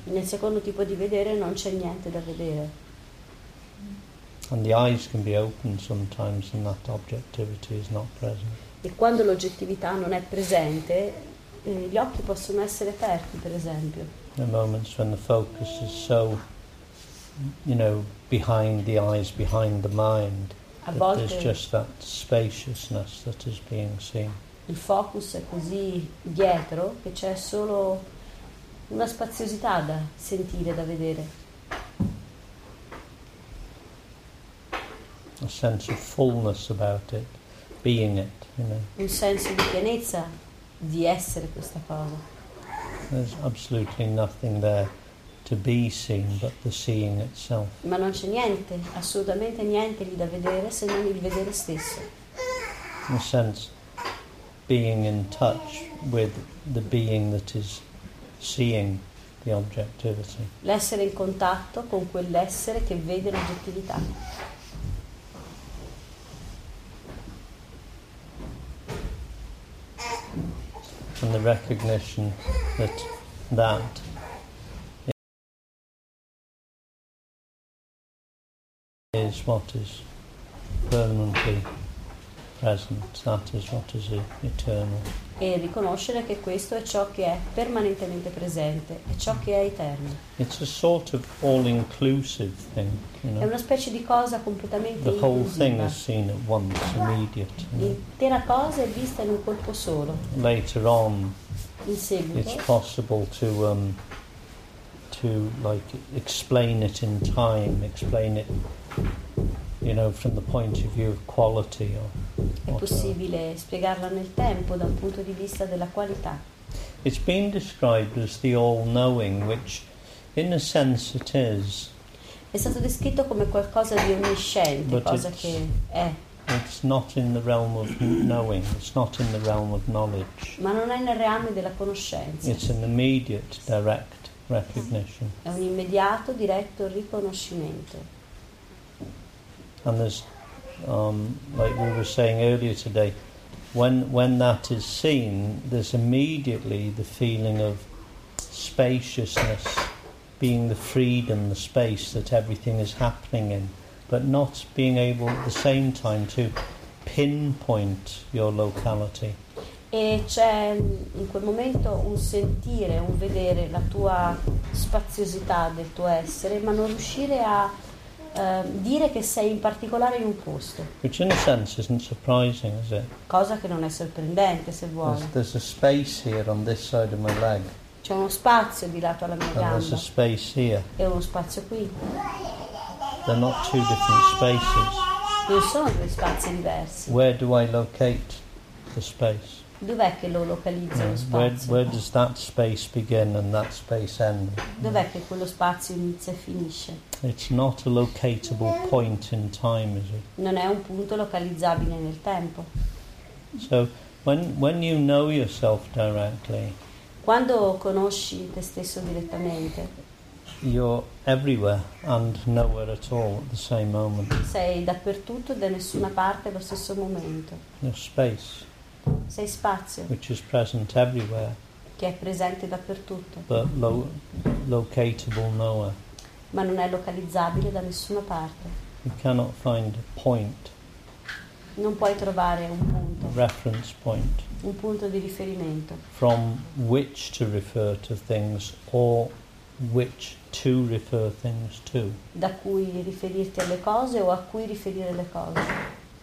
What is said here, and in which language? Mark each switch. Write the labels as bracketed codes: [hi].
[it] Nel secondo tipo di vedere non c'è niente da vedere. [en] And the eyes can be open sometimes and that objectivity is not present. [it] E quando l'oggettività non è presente, gli occhi possono essere aperti, per esempio. [en] The moments when the focus is so, you know, behind the eyes, behind the mind, that there's just that spaciousness that is being seen. [it] Il focus è così dietro che c'è solo una spaziosità da sentire, da vedere. [en] A sense of fullness about it, being it, you know. [it] Un senso di pienezza di essere questa cosa. [en] There's absolutely nothing there to be seen but the seeing itself. [it] Ma non c'è niente, assolutamente niente lì da vedere se non il vedere stesso. [en] In a sense, being in touch with the being that is seeing the objectivity. [it] L'essere in contatto con quell'essere che vede l'oggettività. [en] And the recognition that that is what is permanently present, that is what is eternal. [it] E riconoscere che questo è ciò che è permanentemente presente, è ciò che è eterno. [en] It's a sort of all-inclusive thing, you know. [it] È una specie di cosa completamente inclusiva. [en] The whole thing is seen at once, immediate. [it] L'intera cosa è vista in un colpo solo. [en] Later on, [it] in seguito, [en] it's possible to like explain it in time, explain it, you know, from the point of view of quality. Or [it] è possibile spiegarla nel tempo dal punto di vista della qualità. [en] It's been described as the all-knowing, which in a sense it is. [it] È stato descritto come qualcosa di onnisciente, cosa che è. [en] It's not in the realm of knowing, it's not in the realm of knowledge. [it] Ma non è nel reame della conoscenza. [en] It's an immediate, direct recognition. [it] È un immediato, diretto riconoscimento. [en] And there's, like we were saying earlier today, when that is seen, there's immediately the feeling of spaciousness, being the freedom, the space that everything is happening in, but not being able at the same time to pinpoint your locality. [it] E c'è in quel momento un sentire, un vedere la tua spaziosità del tuo essere, ma non riuscire a dire che sei in particolare in un posto. [en] Which in a sense isn't surprising, is it? [it] Cosa che non è sorprendente, se vuoi. [en] There's a space here on this side of my leg. [it] C'è uno spazio di lato alla mia [en] and [it] gamba. [en] There's a space here. [it] E uno spazio qui. [en] They're not two different spaces. [it] Non sono due spazi diversi. [en] Where do I locate the space? [it] Dov'è che lo localizzo lo spazio? [en] Where does that space begin and that space end? [it] Dov'è che quello spazio inizia e finisce? [en] It's not a locatable point in time, is it? [it] Non è un punto localizzabile nel tempo. [en] So when you know yourself directly, [it] quando conosci te stesso direttamente, [en] you're everywhere and nowhere at all at the same moment. [it] Sei dappertutto, da nessuna parte allo stesso momento. [en] Your space. [it] Sei spazio. [en] Which is present everywhere. [it] Che è presente dappertutto. [en] But locatable nowhere. [it] Ma non è localizzabile da nessuna parte. [en] You cannot find a point. [it] Non puoi trovare un punto. [en] Reference point. [it] Un punto di riferimento. [en] From which to refer to things or which to refer things to. [it] Da cui riferirti alle cose o a cui riferire le cose.